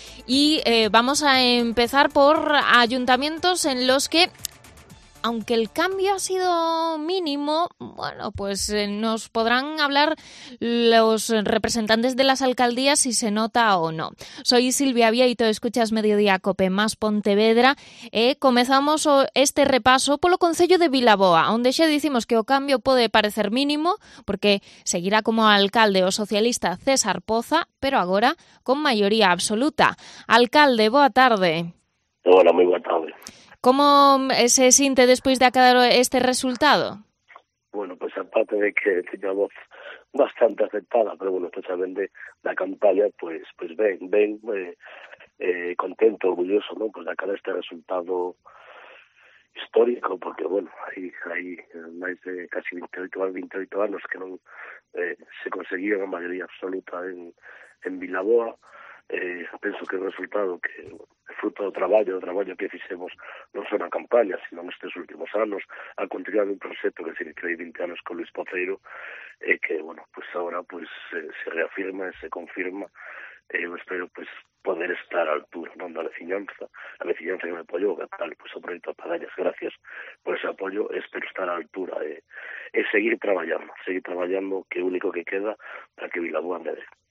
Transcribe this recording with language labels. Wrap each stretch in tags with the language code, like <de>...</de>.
<es>Y vamos a empezar por ayuntamientos en los que, aunque el cambio ha sido mínimo, bueno, pues nos podrán hablar los representantes de las alcaldías si se nota o no. Soy Silvia Vieito, escuchas Mediodía COPE más Pontevedra.</es> <gl>Comezamos este repaso polo concello de Vilaboa, onde xa dicimos que o cambio pode parecer mínimo, porque seguirá como alcalde o socialista César Poza, pero agora con maioría absoluta. Alcalde, boa tarde. Hola, moi boa tarde. Como se sinte despois de acadar este resultado? Bueno, pues aparte de que teña voz bastante afectada, pero bueno, especialmente da campaña, pues ben contento, orgulloso, ¿no? Pues de acadar este resultado histórico, porque bueno, hai máis de casi 28 anos que non se conseguía a maioría absoluta en Vilaboa. Penso que o resultado que fruto do traballo, que fixemos non só na campaña, sino nestes últimos anos, a continuar un proxecto que se creí 20 anos con Luis Poceiro, que, bueno, pues ahora pues, se reafirma e se confirma, eu espero pues, poder estar a altura, non da veciñanza, a veciñanza que me apoiou, que tal, pues, o proxecto a Padañas, gracias por ese apoio, espero estar a altura e seguir traballando que é o único que queda para que Vilaboa me dé.</gl>